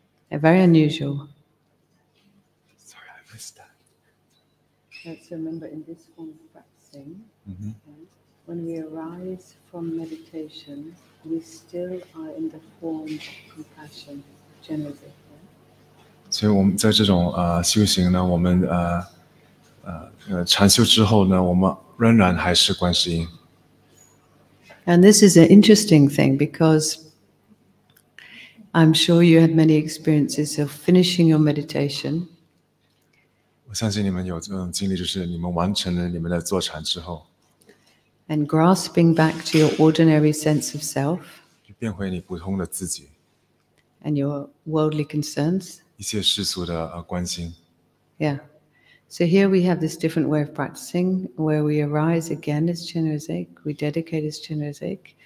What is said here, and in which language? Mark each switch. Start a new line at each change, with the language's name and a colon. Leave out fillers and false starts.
English: Very unusual. Sorry, I missed that. Let's remember in this form of practicing, when we arise from meditation, we still are in the form of compassion, generosity.
Chinese: 所以我们在这种修行呢，我们禅修之后呢，我们仍然还是观世音。
English: And this is an interesting thing because I'm sure you have many experiences of finishing your meditation.
Chinese: 我相信你们有这种经历，就是你们完成了你们的坐禅之后
English: ，and grasping back to your ordinary sense of self.
Chinese: 变回你普通的自己
English: ，and your worldly concerns.
Chinese: 一些世俗的关心。
English: Yeah. So here we have this different way of practicing, where we arise again as Chinrezig, we dedicate as Chinrezig.